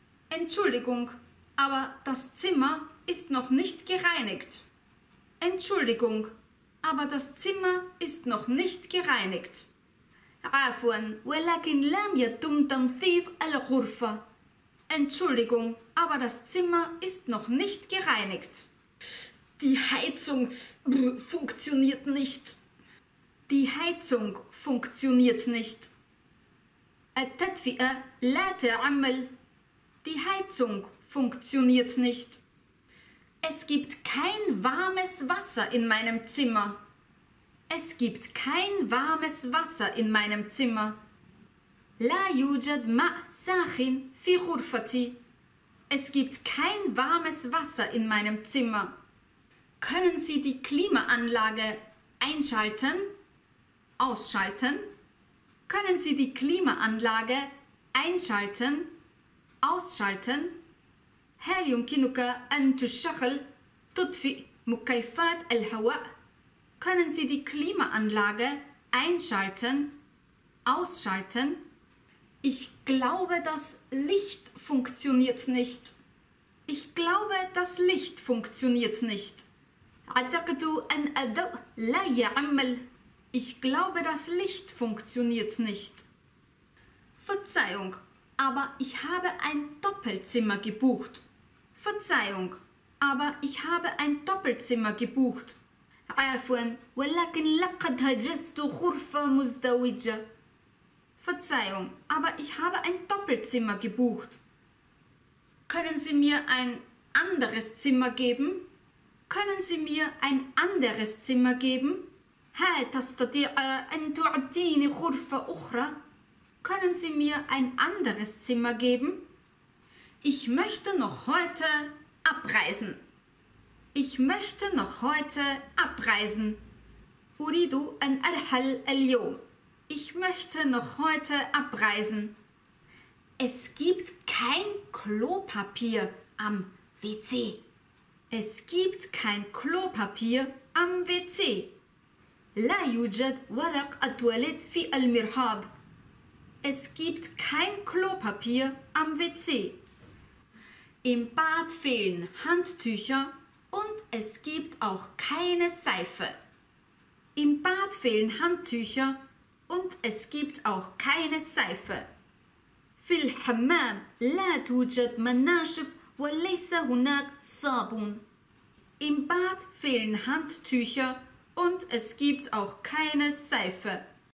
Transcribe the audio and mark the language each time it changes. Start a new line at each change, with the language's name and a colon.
German: Entschuldigung, aber das Zimmer ist noch nicht gereinigt. Entschuldigung, aber das Zimmer ist noch nicht gereinigt.
Arabic: عفوا ولكن لم يتم تنظيف الغرفة.
German: Entschuldigung, aber das Zimmer ist noch nicht gereinigt. Die Heizung funktioniert nicht. Die Heizung funktioniert nicht.
Arabic: التدفئة لا تعمل.
German: Die Heizung funktioniert nicht. Es gibt kein warmes Wasser in meinem Zimmer. Es gibt kein warmes Wasser in meinem Zimmer.
Arabic: لا يوجد ماء ساخن في غرفتي.
German: Es gibt kein warmes Wasser in meinem Zimmer. Können Sie die Klimaanlage einschalten? Ausschalten? Können Sie die Klimaanlage einschalten? Ausschalten?
Arabic: هل يمكنك أن تشغل تطفئ مكيفات الهواء؟
German: Können Sie die Klimaanlage einschalten? Ausschalten? Ich glaube, das Licht funktioniert nicht. Ich glaube, das Licht funktioniert nicht.
Arabic: أعتقد أن الضوء لا يعمل.
German: Ich glaube, das Licht funktioniert nicht. Verzeihung, aber ich habe ein Doppelzimmer gebucht. Verzeihung, aber ich habe ein Doppelzimmer gebucht.
Arabic: عفوا ولكن لقد حجزت غرفة مزدوجة.
German: Verzeihung, aber ich habe ein Doppelzimmer gebucht. Können Sie mir ein anderes Zimmer geben? Können Sie mir ein anderes Zimmer geben?
Arabic: هل تستطيع أن تعطيني غرفة أخرى؟
German: Können Sie mir ein anderes Zimmer geben? Ich möchte noch heute abreisen. Ich möchte noch heute abreisen.
Arabic: أريد أن أرحل اليوم.
German: Ich möchte noch heute abreisen. Es gibt kein Klopapier am WC. Es gibt kein Klopapier am WC.
Arabic: لا يوجد ورق التواليت في المرحاض.
German: Es gibt kein Klopapier am WC. Im Bad fehlen Handtücher und es gibt auch keine Seife. Im Bad fehlen Handtücher und es gibt auch keine Seife.
Arabic: في الحمام لا توجد مناشف وليس هناك صابون.
German: Im Bad fehlen Handtücher und es gibt auch keine Seife.